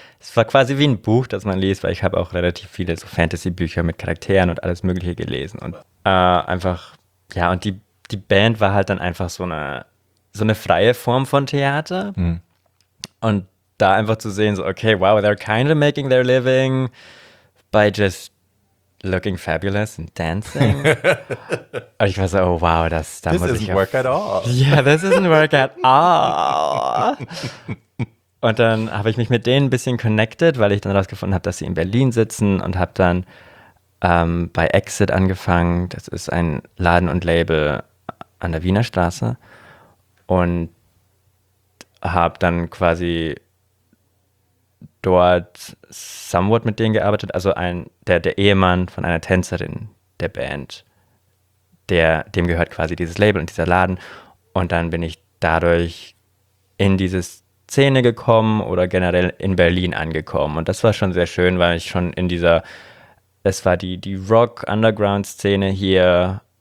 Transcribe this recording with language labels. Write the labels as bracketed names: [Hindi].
[German] Es war quasi wie ein Buch, das man liest, weil ich habe auch relativ viele so Fantasy-Bücher mit Charakteren und alles Mögliche gelesen und einfach, ja, und die Band war halt dann einfach so eine freie Form von Theater und da einfach zu sehen, so, okay, wow, [English] they're kind of making their living by just looking fabulous and dancing. [German] Aber ich war so, oh, wow, das, da [English] this [German] muss ich [English] This isn't work at all. Yeah, this isn't work at all. [German] Und dann habe ich mich mit denen ein bisschen connected, weil ich dann rausgefunden habe, dass sie in Berlin sitzen und habe dann bei Exit angefangen. Das ist ein Laden und Label an der Wiener Straße. Und habe dann quasi dort somewhat mit denen gearbeitet, also der Ehemann von einer Tänzerin der Band, dem gehört quasi dieses Label und dieser Laden und dann bin ich dadurch in diese Szene gekommen oder generell in Berlin angekommen und das war schon sehr schön, weil ich schon in dieser, es war die Rock-Underground-Szene hier,